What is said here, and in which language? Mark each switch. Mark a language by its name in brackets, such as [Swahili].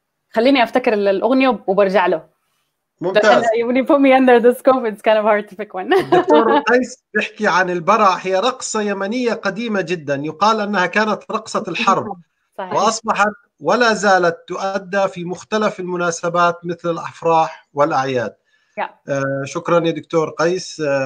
[Arabic] خليني أفتكر الأغنية وبرجع له. ممتاز. [English] When you put me under this scope, it's kind of hard to pick one. [Arabic] الدكتور قيس بيحكي عن البرع هي رقصة يمنية قديمة جداً يقال أنها كانت رقصة الحرب. صحيح. وأصبحت ولا زالت تؤدى في مختلف المناسبات مثل الأفراح والأعياد. شكراً يا دكتور قيس.